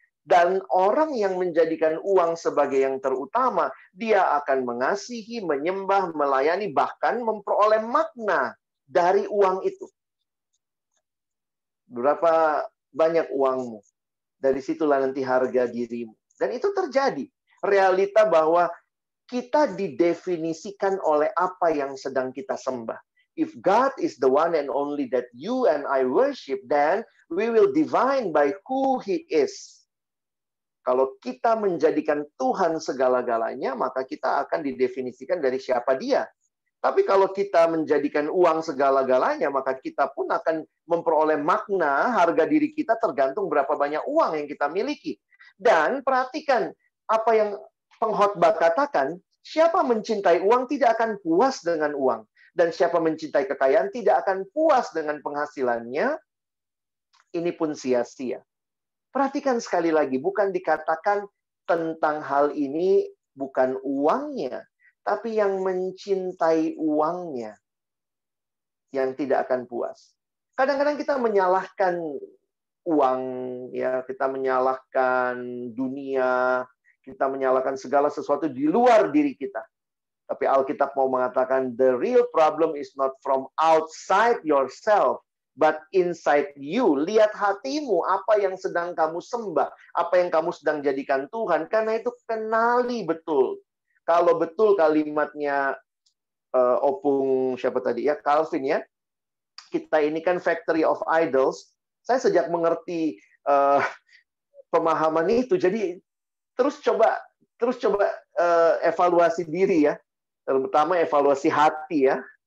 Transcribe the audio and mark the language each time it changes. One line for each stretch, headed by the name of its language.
Indonesian: Dan orang yang menjadikan uang sebagai yang terutama, dia akan mengasihi, menyembah, melayani, bahkan memperoleh makna dari uang itu. Berapa banyak uangmu? Dari situlah nanti harga dirimu. Dan itu terjadi. Realita bahwa kita didefinisikan oleh apa yang sedang kita sembah.
English: If God is the one and only that you and I worship, then we will define by who he is.
Indonesian: Kalau kita menjadikan Tuhan segala-galanya, maka kita akan didefinisikan dari siapa dia. Tapi kalau kita menjadikan uang segala-galanya, maka kita pun akan memperoleh makna harga diri kita tergantung berapa banyak uang yang kita miliki. Dan perhatikan apa yang pengkhotbah katakan, siapa mencintai uang tidak akan puas dengan uang. Dan siapa mencintai kekayaan tidak akan puas dengan penghasilannya, ini pun sia-sia. Perhatikan sekali lagi, bukan dikatakan tentang hal ini bukan uangnya, tapi yang mencintai uangnya yang tidak akan puas. Kadang-kadang kita menyalahkan uang, ya, kita menyalahkan dunia, kita menyalahkan segala sesuatu di luar diri kita. Tapi Alkitab mau mengatakan,
English: the real problem is not from outside yourself, but inside you.
Indonesian: Lihat hatimu, apa yang sedang kamu sembah, apa yang kamu sedang jadikan Tuhan. Karena itu kenali betul. Kalau betul kalimatnya Opung siapa tadi ya, Calvin ya, kita ini kan
English: factory of idols.
Indonesian: Saya sejak mengerti pemahaman itu, jadi terus coba evaluasi diri ya, terutama evaluasi hati ya.